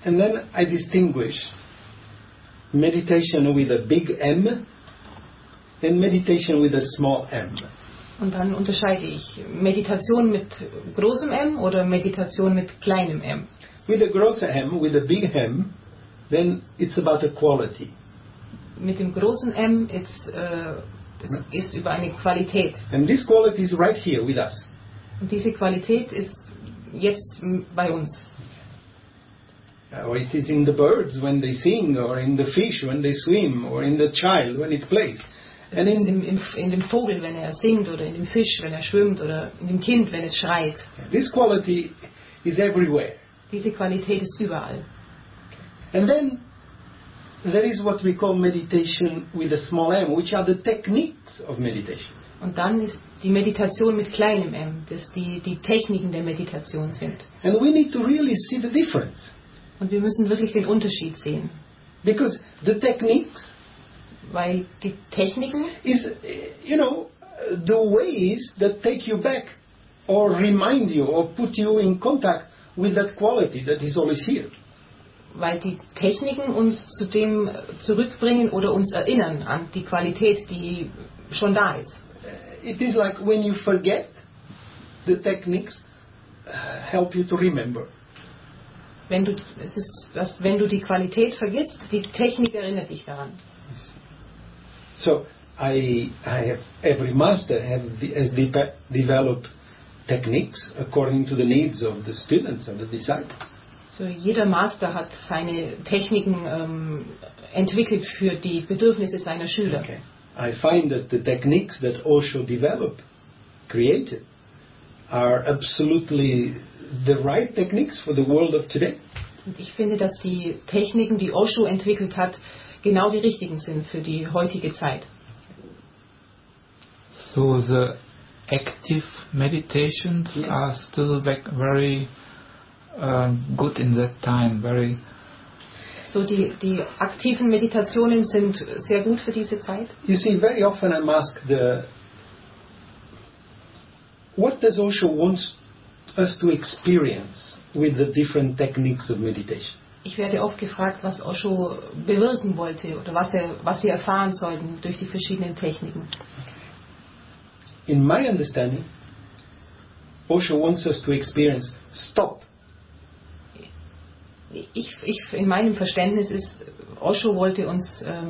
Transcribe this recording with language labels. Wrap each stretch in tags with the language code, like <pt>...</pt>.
<en>And then I distinguish meditation with a big M and meditation with a small M.</en> <de>Und dann unterscheide ich Meditation mit großem M oder Meditation mit kleinem M.</de> <en>With a</en> <de>großer M,</de> <en>with a big M, then it's about a quality.</en> <de>Mit dem großen M, ist über eine Qualität.</de> <en>And this quality is right here with us.</en> <de>Und diese Qualität ist jetzt bei uns.</de> <en>Or it is in the birds when they sing, or in the fish when they swim, or in the child when it plays.</en> <de>And in dem Vogel, wenn er singt, oder in dem Fisch, wenn er schwimmt, oder in dem Kind, wenn es schreit.</de> <en>This quality is everywhere.</en> <de>Diese Qualität ist überall.</de> <en>And then there is what we call meditation with a small M, which are the techniques of meditation.</en> <de>Und dann ist die Meditation mit kleinem M, das die Techniken der Meditation sind.</de> <en>And we need to really see the difference.</en> <de>Und wir müssen wirklich den Unterschied sehen.</de> <en>Because the techniques.</en> <de>Weil die Techniken</de> <en>is, you know, the ways that take you back or remind you or put you in contact with that quality that is always here.</en> <de>Weil die Techniken uns zu dem zurückbringen oder uns erinnern an die Qualität, die schon da ist.</de> <en>It is like when you forget, the techniques help you to remember.</en> <de>Wenn du die Qualität vergisst, die Technik erinnert dich daran.</de> <en>So, I have, every master has developed techniques according to the needs of the students and the disciples.</en> <de>So, jeder Master hat seine Techniken entwickelt für die Bedürfnisse seiner Schüler.</de> <en>Okay. I find that the techniques that Osho developed, created, are absolutely the right techniques for the world of today.</en> <de>Und ich finde, dass die Techniken, die Osho entwickelt hat, genau die richtigen sind für die heutige Zeit.</de> <en>So the active meditations, yes, are still very good in that time, very.</en> <de>So die aktiven Meditationen sind sehr gut für diese Zeit.</de> <en>You see, very often I'm asked, What does Osho want us to experience with the different techniques of meditation?</en> <de>Ich werde oft gefragt, was Osho bewirken wollte oder was wir erfahren sollten durch die verschiedenen Techniken.</de> <en>In my understanding, Osho wants us to experience stop.</en> <de>Ich in meinem Verständnis ist, Osho wollte uns</de>